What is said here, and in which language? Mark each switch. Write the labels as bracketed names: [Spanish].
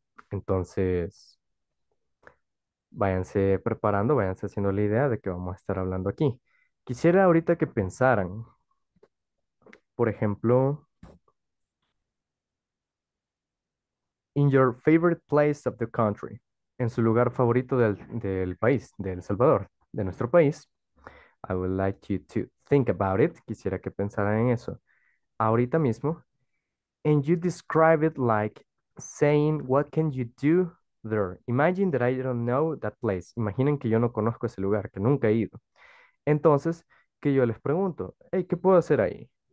[Spanish] Entonces, váyanse preparando, váyanse haciendo la idea de que vamos a estar hablando aquí. Quisiera ahorita que pensaran, por ejemplo, [English] in your favorite place of the country. [Spanish] En su lugar favorito del país, de El Salvador, de nuestro país. [English] I would like you to think about it. [Spanish] Quisiera que pensaran en eso ahorita mismo. [English] And you describe it like saying, what can you do there? Imagine that I don't know that place. [Spanish] Imaginen que yo no conozco ese lugar, que nunca he ido. Entonces, que yo les pregunto, hey, ¿qué puedo hacer ahí?